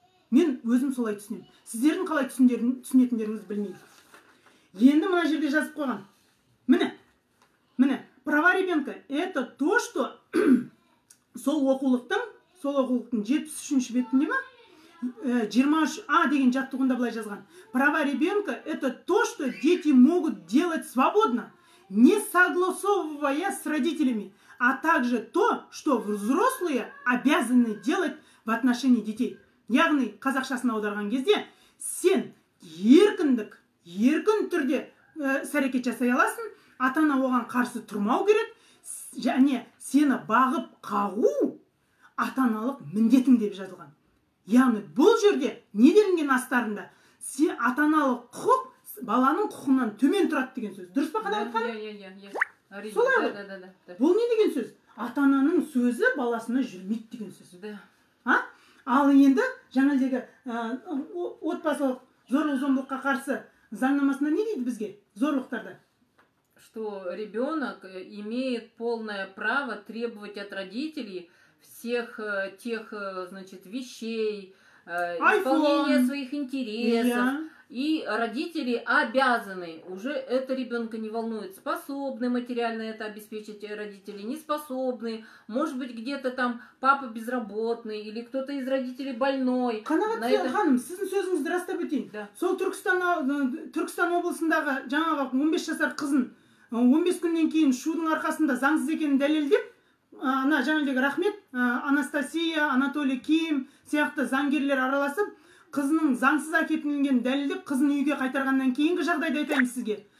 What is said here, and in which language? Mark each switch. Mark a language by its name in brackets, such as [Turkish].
[Kazakh] Мен өзім солай түсінемін. Сіздердің қалай түсінетіндеріңіз білмеймін. Енді мына жерде жазып қойған. Міне. Міне, [Russian] права ребенка это то, что [Kazakh] сол оқулықтың сол оқулықтың 73-ші бетінде ма? 23А деген жаттығында былай жазған. [Russian] Права ребенка это то, что дети могут делать свободно, не согласовывая с родителями, а также то, что взрослые обязаны делать в отношении детей. [Kazakh] Яғни қазақшасына аударған кезде, сен еркіндік, еркін түрде сәрекет жасай аласың, ата-ана оған қарсы тұрмау керек, және сені бағып қағу ата-аналық міндетің деп жазылған. Яғни бұл жерде не делінген астарында сен ата-аналық құқық баланың құқынан төмен тұрады деген сөз. Дұрыс па қадай айтқаным? Солай ғой. Бұл не деген сөз? Ата-ананың сөзі баласына жүрмейді деген сөз. [Russian] Да. [Kazakh] Ал енді жаңалдегі отбасылық зорлық-зомбылыққа қарсы заңнамасында не дейді бізге? Зорлықтарда. [Russian] Что ребенок имеет полное право требовать от родителей всех тех, значит, вещей, исполнения своих интересов. И родители обязаны, уже это ребенка не волнует, способны материально это обеспечить, родители не способны. Может быть, где-то там папа безработный или кто-то из родителей больной. [Kazakh] Қанағат Қиял ханым, сіздің сөзіңізді растап өтейін. [Russian] Да. [Kazakh] Сол Түркістан облысындағы жаңаға 15 жасар қызын 15 күннен кейін шудың арқасында заңсыз екенін дәлелдеп, ана жаңалдегі рахмет, Анастасия, Анатолий Ким сияқты заңгерлер араласып, қызының заңсыз әкетінген дәлелдеп, қызын үйге қайтарғаннан кейінгі жағдайды айтайын сізге.